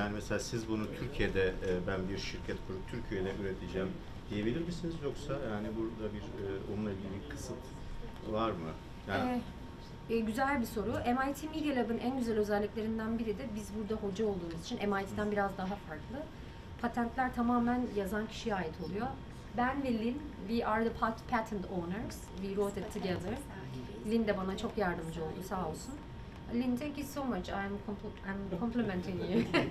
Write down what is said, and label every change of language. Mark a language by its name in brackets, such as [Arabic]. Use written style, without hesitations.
[Turkish] Yani mesela siz bunu Türkiye'de, ben bir şirket kurup Türkiye'de üreteceğim diyebilir misiniz? Yoksa yani burada bir onunla ilgili bir kısıt var mı? Yani, Güzel bir soru. MIT Media Lab'ın en güzel özelliklerinden biri de biz burada hoca olduğumuz için, MIT'den biraz daha farklı. Patentler tamamen yazan kişiye ait oluyor. Ben ve [English] Lynn, we are the patent owners. We wrote it together. [Turkish] Lynn de bana çok yardımcı oldu, sağ olsun. Lynn, [English] thank you so much. I'm complimenting you.